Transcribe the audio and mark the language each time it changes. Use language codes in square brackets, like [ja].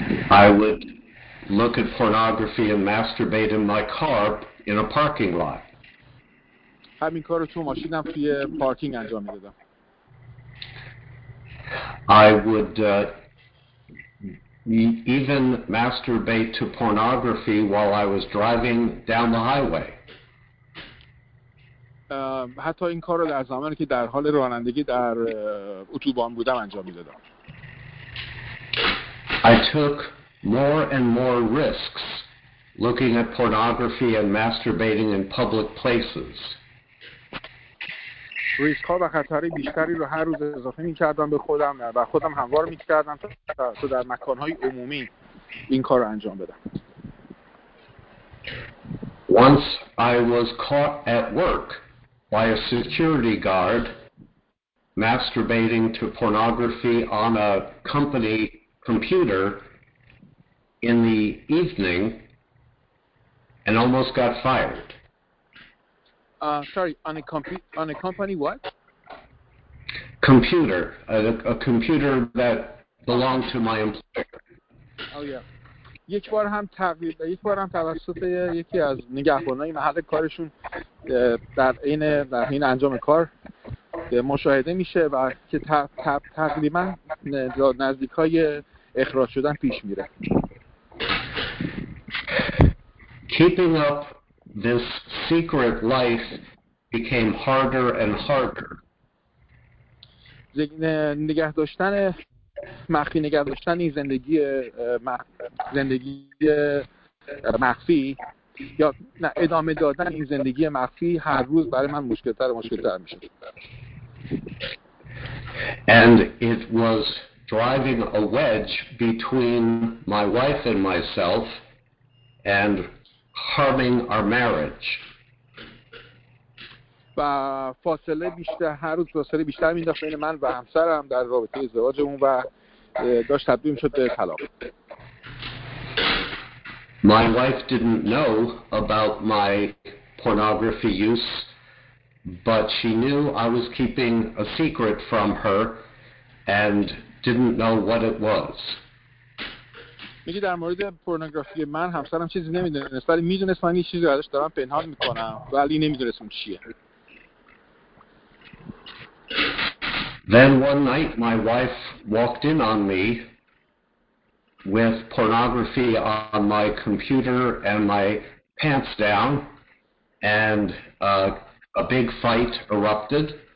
[en] I would look at pornography and masturbate in my car in a parking lot. [fa] همین کارو تو ماشینم توی پارکینگ انجام میدادم. [en] I would even masturbate to pornography while I was driving down the highway. [fa] حتی این کارو در زمانی که در حال رانندگی در اتوبان بودم انجام میدادم. [en] I took more and more risks looking at pornography and masturbating in public places. [fa] ریسک ها و خطرهای بیشتری رو هر روز اضافه می کردم به خودم و خودم هموار می کردم تا در مکان های عمومی این کار رو انجام بدم. [en] Once I was caught at work by a security guard masturbating to pornography on a company computer in the evening and almost got fired. On a company what? Computer, a computer that belonged to my employer. Oh yeah. [fa] یک بار هم تغییر یک بار هم توسط یکی از نگهبانای محل کارشون در عین در این انجام کار مشاهده میشه و که تقریبا نزدیکای اخراج شدن پیش میره. [en] Keeping up this secret life became harder and harder. [fa] نگه داشتن مخفی نگه داشتن این زندگی زندگی مخفی یا ادامه دادن این زندگی مخفی هر روز برای من مشکل‌تر و مشکل‌تر می‌شد. [en] And it was driving a wedge between my wife and myself and harming our marriage. [fa] و فاصله بیشتر هر روز فاصله بیشتر می‌انداخت بین من و همسرم در رابطه ازدواجمون و داشت تبدیل می‌شد به طلاق. [en] My wife didn't know about my pornography use, but she knew I was keeping a secret from her and didn't know what it was. [fa] میگه در مورد پورنوگرافی من همسرم چیزی نمیدونست ولی میدونست من یه چیزی ازش دارم پنهان میکنم ولی نمیدونست اون چیه. [en] Then one night my wife walked in on me with pornography on my computer and my pants down, and a big fight erupted.